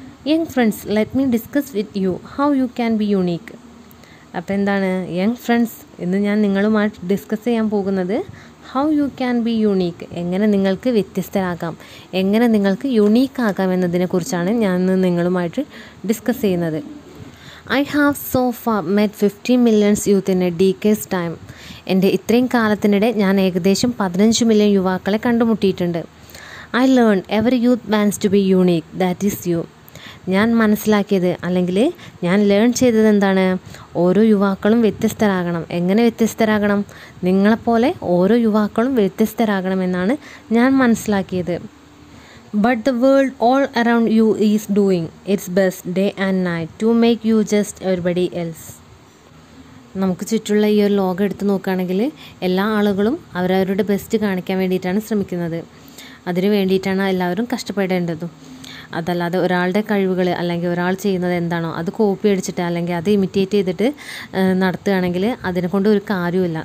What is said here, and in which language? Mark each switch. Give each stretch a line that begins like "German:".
English: Young friends, let me discuss with you how you can be unique.
Malayalam: അപ്പോൾ എന്താണ് young friends, ഇന്ന് ഞാൻ നിങ്ങളുമായിട്ട് ഡിസ്കസ് ചെയ്യാൻ പോകുന്നത്
English: How you can be unique.
Malayalam: എങ്ങനെ നിങ്ങൾക്ക് വ്യത്യസ്തരാകാം, എങ്ങനെ നിങ്ങൾക്ക് യുണീക്കാകാം എന്നതിനെക്കുറിച്ചാണ് ഞാൻ ഇന്ന് നിങ്ങളുമായിട്ട് ഡിസ്കസ് ചെയ്യുന്നത്.
English: I have so far met 15 million youth in a decade's time.
Malayalam: എൻ്റെ ഇത്രയും കാലത്തിനിടെ ഞാൻ ഏകദേശം 15 മില്യൺ യുവാക്കളെ കണ്ടുമുട്ടിയിട്ടുണ്ട്.
English: I learned every youth wants to be unique. That is you.
Malayalam: ഞാൻ മനസ്സിലാക്കിയത് അല്ലെങ്കിൽ ഞാൻ ലേൺ ചെയ്തത് എന്താണ്, ഓരോ യുവാക്കളും വ്യത്യസ്തരാകണം. എങ്ങനെ വ്യത്യസ്തരാകണം, നിങ്ങളെപ്പോലെ ഓരോ യുവാക്കളും വ്യത്യസ്തരാകണമെന്നാണ് ഞാൻ മനസ്സിലാക്കിയത്.
English: But the world all around you is doing its best day and night to make you just everybody else.
Malayalam: നമുക്ക് ചുറ്റുള്ള ഈ ഒരു ലോകം എടുത്ത് നോക്കുകയാണെങ്കിൽ എല്ലാ ആളുകളും അവരവരുടെ ബെസ്റ്റ് കാണിക്കാൻ വേണ്ടിയിട്ടാണ് ശ്രമിക്കുന്നത്. അതിന് വേണ്ടിയിട്ടാണ് എല്ലാവരും കഷ്ടപ്പെടേണ്ടതും. അതല്ലാതെ ഒരാളുടെ കഴിവുകൾ അല്ലെങ്കിൽ ഒരാൾ ചെയ്യുന്നത് എന്താണോ അത് കോപ്പി അടിച്ചിട്ട് അല്ലെങ്കിൽ അത് ഇമിറ്റേറ്റ് ചെയ്തിട്ട് നടത്തുകയാണെങ്കിൽ അതിനെ കൊണ്ട് ഒരു കാര്യമില്ല.